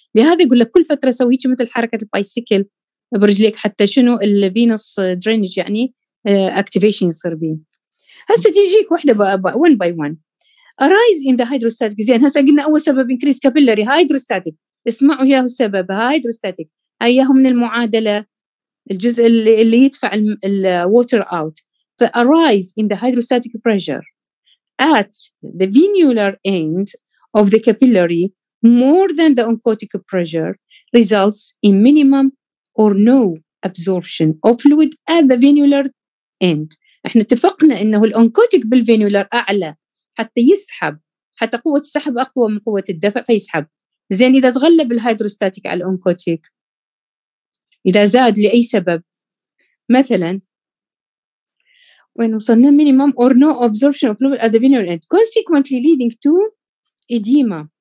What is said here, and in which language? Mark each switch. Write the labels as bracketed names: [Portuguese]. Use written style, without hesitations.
[Arabic] لهذا يقول لك كل فترة سويتش مثل حركة البايسيكل برجليك، حتى شنو الفينوس درينج يعني اكتيفيشن يصير بيه. هسه تجيك واحدة [English] one by one. Arise in the hydrostatic زين. [Arabic] هسه قلنا أول سبب [English] increase capillary hydrostatic. [Arabic] اسمعوا يا هو السبب hydrostatic. أيه من المعادلة الجزء اللي يدفع ال [English] water out. Arise in the hydrostatic pressure at the venular end of the capillary more than the oncotic pressure results in minimum or no absorption of fluid at the venular end. [Arabic] احنا اتفقنا انه الانكوتيك بالفينيولر اعلى حتى يسحب، حتى قوة السحب اقوى من قوة الدفع فيسحب. زين اذا تغلب الهيدروستاتيك على الانكوتيك، اذا زاد لأي سبب مثلا وين وصلنا [English] minimum or no absorption of fluid at the venular end consequently leading to edema.